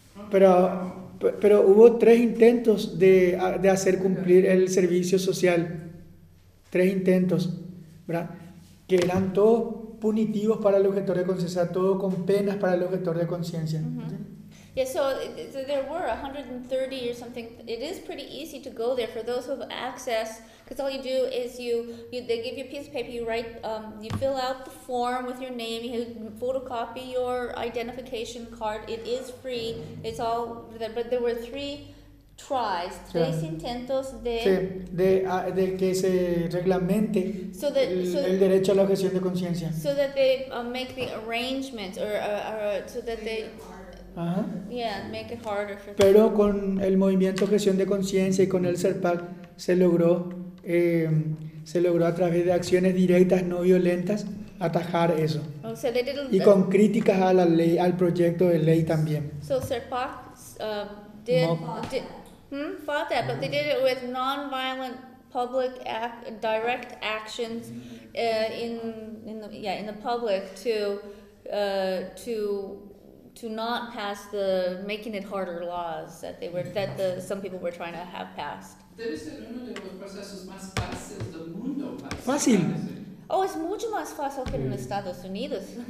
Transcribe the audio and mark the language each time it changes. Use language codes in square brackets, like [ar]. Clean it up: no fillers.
[es] Pero hubo 3 intentos de hacer cumplir el servicio social. 3 intentos, ¿verdad? Que eran todos punitivos para el objetor de conciencia, todo con penas para el objetor de conciencia. [en] Mm-hmm. Yeah, so there were 130 or something. It is pretty easy to go there for those who have access, because all you do is they give you a piece of paper, you fill out the form with your name, you photocopy your identification card. It is free. It's all there. But there were [es] el derecho a la objeción de conciencia. [en] So that they make the arrangements or so that they make it harder for. [es] Pero con el movimiento objeción de conciencia y con el CERPAC se logró a través de acciones directas no violentas atajar eso. [en] Oh, so they didn't, [es] y con críticas a la ley, al proyecto de ley también. [en] So CERPAC fought that, but they did it with non-violent public direct actions in the public to not pass the making it harder laws some people were trying to have passed. [es] Debe ser uno de los procesos más fáciles del mundo. Fácil. Oh, es mucho más fácil que en Estados Unidos.